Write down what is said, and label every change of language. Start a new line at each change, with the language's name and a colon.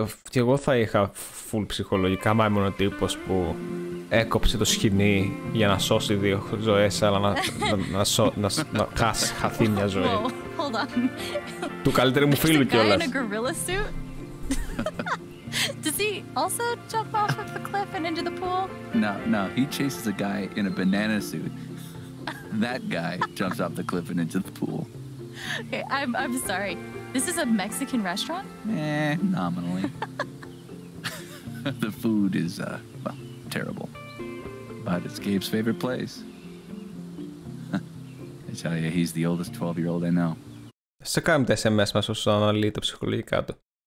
Greek: Κι εγώ θα είχα φουλ ψυχολογικά, μα ήμουν ο τύπος που έκοψε το σχοινί για να σώσει δύο ζωές, αλλά να χάσει μια ζωή.
English: Hold on.
Greek: Του καλύτερου μου φίλου κιόλας.
English: There's a guy in a gorilla suit. Does he also jump off of the cliff and into the pool? No, no. He chases a guy in a banana suit. That guy jumps off the cliff and into the pool. Okay, I'm sorry. This is a Mexican restaurant? Nominally. The food is, well, terrible. But it's Gabe's favorite place. I tell you, he's the oldest 12-year-old I know.
Greek: Σε κάνουμε τα SMS μας όσο αναλύει τα ψυχολογικά του.